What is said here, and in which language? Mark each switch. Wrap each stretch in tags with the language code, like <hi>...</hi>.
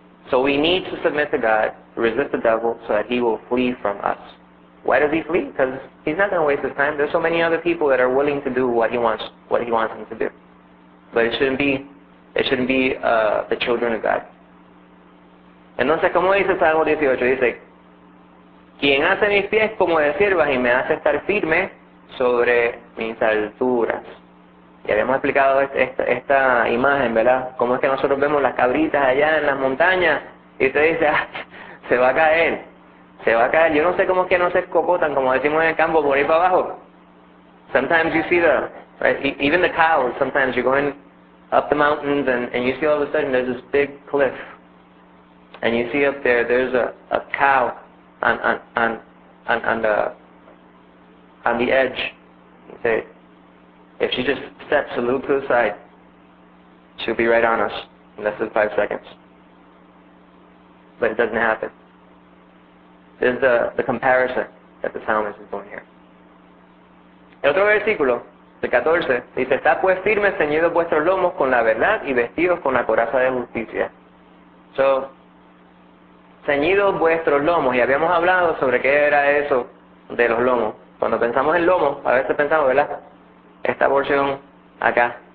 <en>So we need to submit to God, resist the devil, so that he will flee from us. Why does he flee? Because he's not going to waste his time. There's so many other people that are willing to do what he wants them to do. But it shouldn't be the children of God.</en> <es>Entonces, ¿cómo dice Salmo 18? Dice, quien hace mis pies como de siervas y me hace estar firme sobre mis alturas. Y habíamos explicado esta imagen, ¿verdad? Cómo es que nosotros vemos las cabritas allá en las montañas y usted dice, se va a caer. Yo no sé cómo es que no se escocotan, como decimos en el campo, por ahí para abajo.</es> <en>Sometimes you see even the cows, sometimes you're going up the mountains and you see all of a sudden there's this big cliff. And you see up there, there's a cow on the edge. Okay. If she just steps a little to the side, she'll be right on us in less than 5 seconds. but it doesn't happen. This is the comparison that the psalmist is doing here.</en> <es>El otro versículo, el 14, dice, está pues firme, ceñidos vuestros lomos con la verdad y vestidos con la coraza de justicia. So, ceñidos vuestros lomos, y habíamos hablado sobre qué era eso de los lomos. Cuando pensamos en lomos, a veces pensamos, ¿verdad? Esta porción acá.</es>